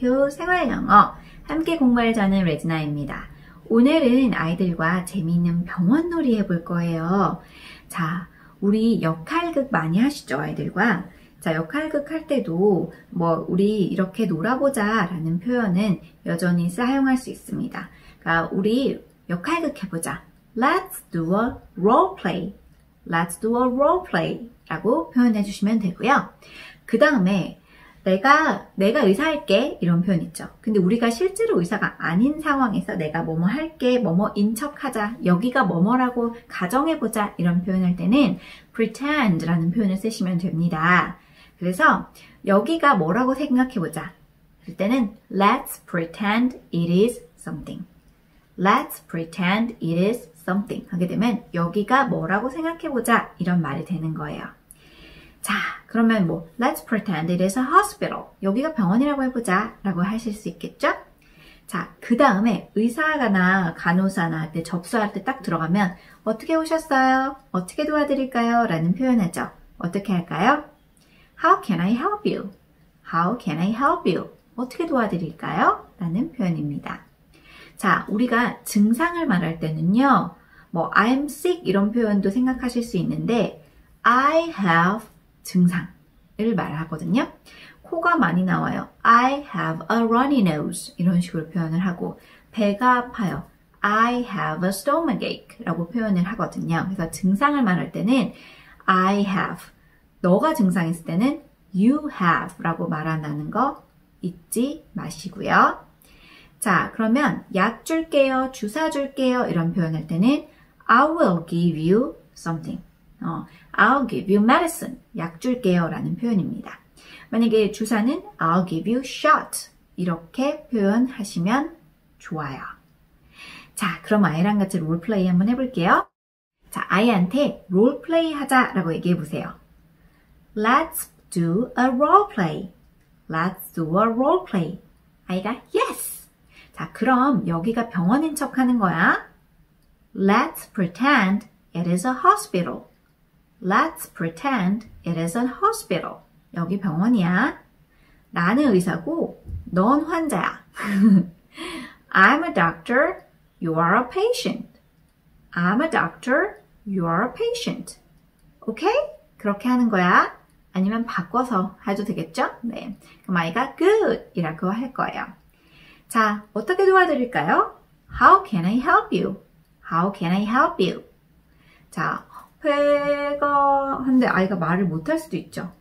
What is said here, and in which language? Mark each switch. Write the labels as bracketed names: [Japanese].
[Korean] 생활 영어 함께 공부할 저는 레지나입니다. 오늘은 아이들과 재미있는 병원 놀이 해볼 거예요. 자, 우리 역할극 많이 하시죠, 아이들과? 자, 역할극 할 때도 뭐 우리 이렇게 놀아보자 라는 표현은 여전히 사용할 수 있습니다. 그러니까 우리 역할극 해보자. [English] Let's do a role play. Let's do a role play [Korean] 라고 표현해 주시면 되고요. 그 다음에 내가 의사할게 이런 표현 있죠. 근데 우리가 실제로 의사가 아닌 상황에서 내가 뭐뭐 할게, 뭐뭐 인척하자, 여기가 뭐뭐라고 가정해보자 이런 표현할 때는 pretend라는 표현을 쓰시면 됩니다. 그래서 여기가 뭐라고 생각해보자 그럴 때는 [English] let's pretend it is something. Let's pretend it is something [Korean] 하게 되면 여기가 뭐라고 생각해보자 이런 말이 되는 거예요. [English] 자, 그러면 뭐 Let's pretend it is a hospital. [Korean] 여기가 병원이라고 해보자 라고 하실 수 있겠죠? 자, 그 다음에 의사나 간호사나 접수할 때 딱 들어가면 어떻게 오셨어요? 어떻게 도와드릴까요? 라는 표현하죠. 어떻게 할까요? [English] How can I help you? How can I help you? [Korean] 어떻게 도와드릴까요? 라는 표현입니다. 자, 우리가 증상을 말할 때는요. 뭐 [English] I'm sick [Korean] 이런 표현도 생각하실 수 있는데 I have 증상을 말하거든요. 코가 많이 나와요. [English] I have a runny nose [Korean] 이런 식으로 표현을 하고 배가 아파요. [English] I have a stomachache [Korean] 라고 표현을 하거든요. 그래서 증상을 말할 때는 I have, 너가 증상했을 때는 you have 라고 말한다는 거 잊지 마시고요. 자, 그러면 약 줄게요, 주사 줄게요 이런 표현할 때는 [English] I will give you something. I'll give you medicine. [Korean] 약 줄게요 라는 표현입니다. 만약에 주사는 [English] I'll give you shot. [Korean] 이렇게 표현하시면 좋아요. 자, 그럼 아이랑 같이 롤플레이 한번 해볼게요. 자, 아이한테 롤플레이 하자 라고 얘기해 보세요. [English] Let's do a role play. Let's do a role play. [Korean] 아이가 yes! 자, 그럼 여기가 병원인 척 하는 거야. [English] Let's pretend it is a hospital. Let's pretend it is a hospital. [Korean] 여기 병원이야. 나는 의사고 넌 환자야. [English] I'm a doctor, you are a patient. I'm a doctor, you are a patient. [Korean] Okay? 그렇게 하는 거야. 아니면 바꿔서 해도 되겠죠? 네. 그럼 아이가 good 이라고 할 거예요. 자, 어떻게 도와드릴까요? [English] How can I help you? How can I help you? [Korean] 자, 배가 한데 아이가 말을 못할 수도 있죠.